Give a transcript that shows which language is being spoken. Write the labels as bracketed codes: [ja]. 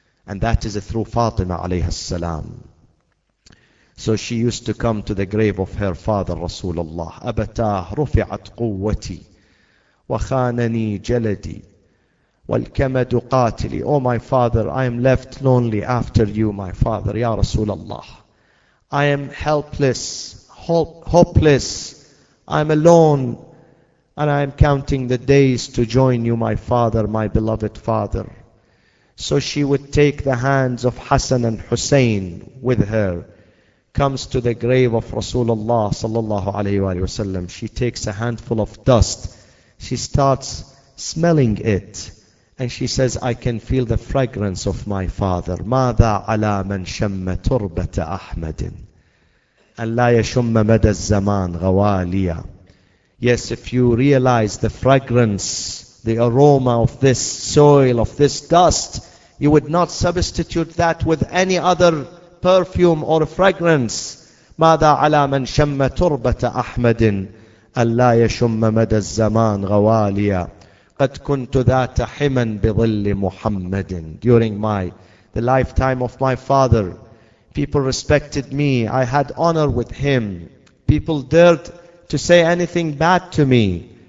[en] And that is through Fatima alayha salam. So she used to come to the grave of her father Rasulullah. [ar] أبتاه رفعت قوتي وخانني جلدي والكمد قاتلي. [en] Oh my father, I am left lonely after you, my father, ya Rasulullah. I am helpless, hopeless. I am alone and I am counting the days to join you, my father, my beloved father. So she would take the hands of Hassan and Hussein with her, comes to the grave of Rasulullah sallallahu alayhi wa sallam. She takes a handful of dust. She starts smelling it. And she says, I can feel the fragrance of my father. [ar] ماذا على من شم تربة أحمد أن لا يشم مدى الزمان غواليا. [en] Yes, if you realize the fragrance, the aroma of this soil, of this dust, you would not substitute that with any other perfume or fragrance. [ar] ماذا على من شم تربة أحمد أن لا يشم مدى الزمان غواليا. قد كنت ذات حما بظل محمد. [en] During the lifetime of my father, people respected me. I had honor with him. People dared to say anything bad to me.